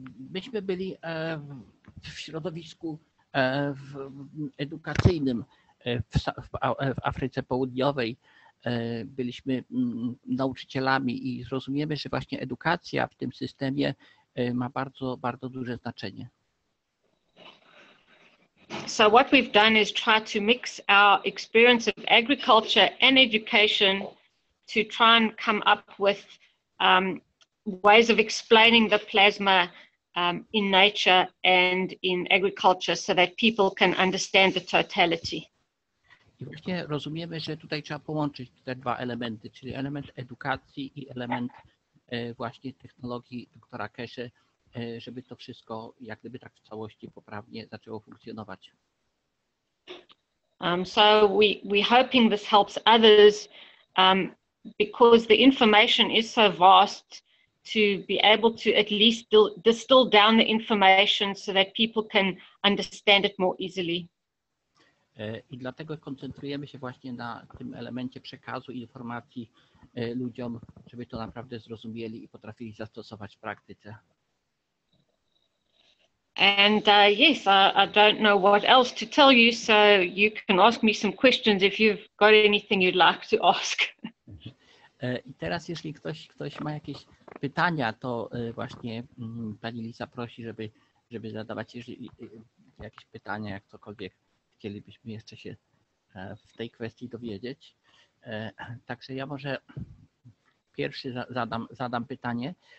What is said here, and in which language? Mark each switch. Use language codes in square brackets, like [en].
[pl] Myśmy byli w środowisku w edukacyjnym w Afryce Południowej. Byliśmy nauczycielami i zrozumiemy, że właśnie edukacja w tym systemie ma bardzo, bardzo duże znaczenie. [en] So what we've done is try to mix our experience of agriculture and education to try and come up with ways of explaining the plasma in nature and in agriculture so that people can understand the totality. [pl] I właśnie rozumiemy, że tutaj trzeba połączyć te dwa elementy, czyli element edukacji i element właśnie technologii doktora Keshe, żeby to wszystko jak gdyby tak w całości poprawnie zaczęło funkcjonować. [en] So we're hoping this helps others because the information is so vast to be able to at least distill down the information so that people can understand it more easily. [pl] I dlatego koncentrujemy się właśnie na tym elemencie przekazu informacji ludziom, żeby to naprawdę zrozumieli i potrafili zastosować w praktyce. [en] And yes, I don't know what else to tell you, so you can ask me some questions if you've got anything you'd like to ask. [pl] I teraz, jeśli ktoś ma jakieś pytania, to właśnie pani Lisa prosi, żeby zadawać jakieś pytania, jak cokolwiek chcielibyśmy jeszcze się w tej kwestii dowiedzieć. Także ja może pierwszy zadam pytanie.